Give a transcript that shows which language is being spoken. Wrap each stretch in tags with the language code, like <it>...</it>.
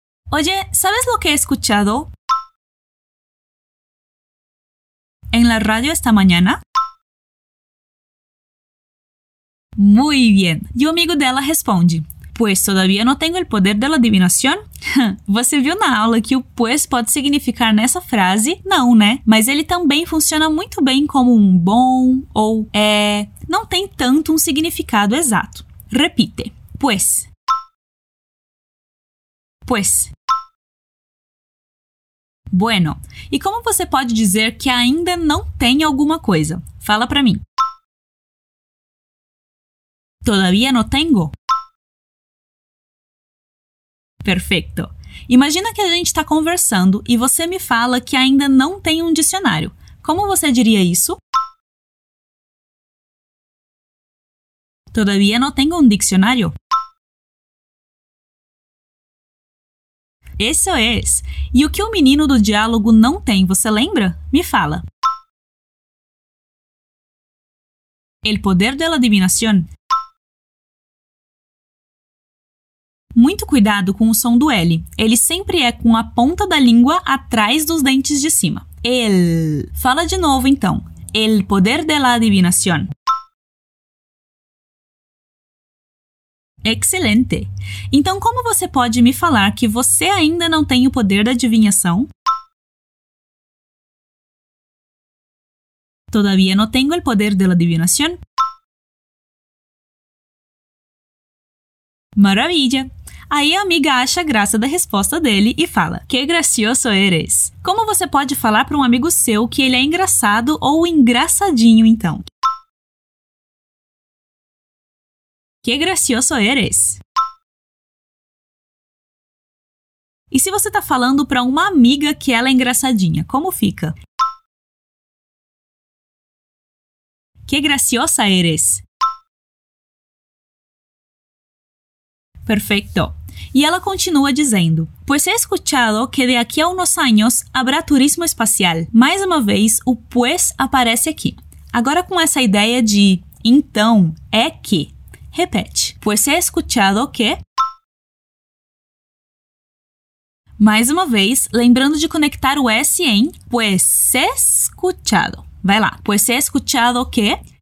<es>Oye, ¿sabes lo que he escuchado? En la radio esta mañana. Muy bien!</es> <pt>E o amigo dela responde.</pt> <es>Pues todavía no tengo el poder de la adivinación.</es> <pt>Você viu na aula que o pues pode significar nessa frase? Não, né? Mas ele também funciona muito bem como um bom ou é... Não tem tanto um significado exato.</pt> <es>Repite. Pues. Pues. Bueno.</es> <pt>E como você pode dizer que ainda não tem alguma coisa? Fala pra mim.</pt> <es>Todavía no tengo.</es> <pt>Perfeito. Imagina que a gente está conversando e você me fala que ainda não tem um dicionário. Como você diria isso?</pt> <es>Todavía no tengo un diccionario. Eso es.</es> <pt>E o que o menino do diálogo não tem, você lembra? Me fala.</pt> <es>El poder de la adivinación.</es> <pt>Muito cuidado com o som do L. Ele sempre é com a ponta da língua atrás dos dentes de cima. El. Fala de novo, então.</pt> <es>El poder de la adivinación.</es> <pt>Excelente! Então, como você pode me falar que você ainda não tem o poder da adivinhação?</pt> <es>Todavía no tengo el poder de la adivinación.</es> <pt>Maravilha! Aí a amiga acha graça da resposta dele e fala:</pt> <es>Que gracioso eres!</es> <pt>Como você pode falar para um amigo seu que ele é engraçado ou engraçadinho, então?</pt> <es>Que gracioso eres!</es> <pt>E se você está falando para uma amiga que ela é engraçadinha, como fica?</pt> <es>Que graciosa eres!</es> <pt>Perfeito! E ela continua dizendo:</pt> <es>Pues he escuchado que de aquí a unos años habrá turismo espacial.</es> <pt>Mais uma vez, o pues aparece aqui. Agora com essa ideia de então, é que. Repete.</pt> <es>Pues he escuchado que...</es> <pt>Mais uma vez, lembrando de conectar o S em...</pt> <es>Pues he escuchado.</es> <pt>Vai lá.</pt> <es>Pues he escuchado que...</es>